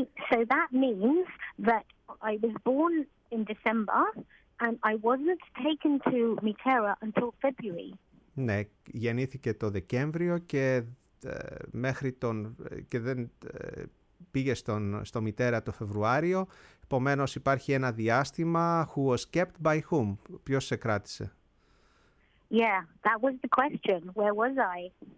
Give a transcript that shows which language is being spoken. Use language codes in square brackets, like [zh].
[en] So that means that I was born in December and I wasn't taken to Mitera until February. [el] Ναι, γεννήθηκε το Δεκέμβριο και... μέχρι τον και δεν πήγε στο Μητέρα το Φεβρουάριο, επομένως υπάρχει ένα διάστημα [en] who was kept by whom, [el] ποιος σε κράτησε. [en] Yeah, that was the question, where was I.